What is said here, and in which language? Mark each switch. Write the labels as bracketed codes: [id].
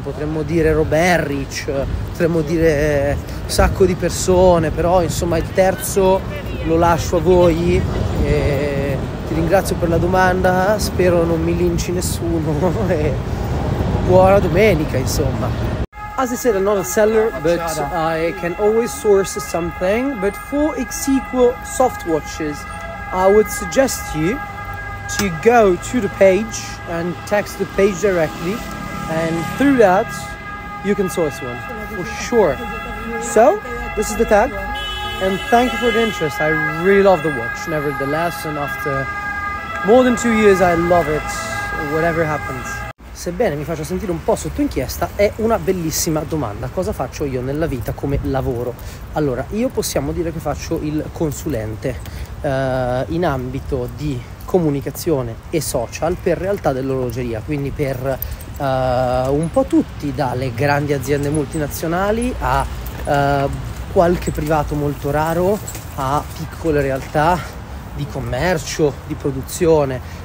[it] Potremmo dire Roberic, potremmo dire un sacco di persone, però insomma il terzo lo lascio a voi. E ti ringrazio per la domanda, spero non mi linci nessuno e buona domenica insomma. [en] As I said, I'm not a seller, but I can always source something. But for Exequo soft watches, I would suggest you to go to the page and text the page directly, and through that you can source one for sure. So this is the tag, and thank you for the interest. I really love the watch nevertheless, and after more than 2 years I love it, whatever happens. [it] Sebbene mi faccia sentire un po' sotto inchiesta, è una bellissima domanda: cosa faccio io nella vita come lavoro? Allora, io possiamo dire che faccio il consulente in ambito di comunicazione e social per realtà dell'orologeria, quindi per un po' tutti, dalle grandi aziende multinazionali a qualche privato molto raro, a piccole realtà di commercio, di produzione,